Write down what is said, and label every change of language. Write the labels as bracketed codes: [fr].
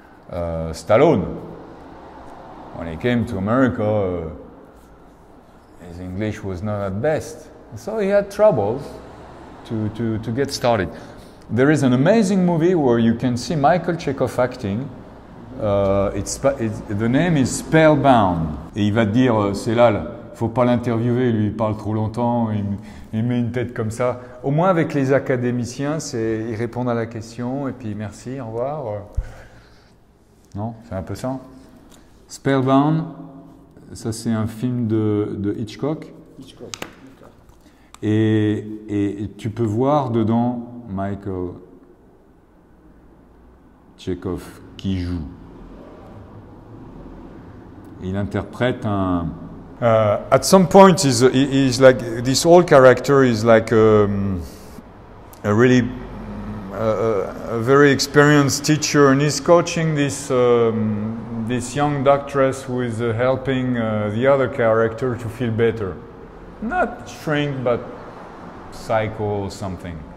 [en] Stallone. When he came to America, his English was not at best. So he had troubles to get started. There is an amazing movie where you can see Michael Chekhov acting. The name is Spellbound. [fr] Et il va te dire, c'est là, faut pas l'interviewer, lui il parle trop longtemps, il met une tête comme ça. Au moins avec les académiciens, c'est ils répondent à la question et puis merci, au revoir. Non, c'est un peu ça. Spellbound, ça c'est un film de Hitchcock. Hitchcock. Et tu peux voir dedans Michael Chekhov qui joue. Il interprète un. [en] At some point, he's like this whole character is like a really a very experienced teacher, and he's coaching this this young doctress who is helping the other character to feel better, not shrink but psycho or something.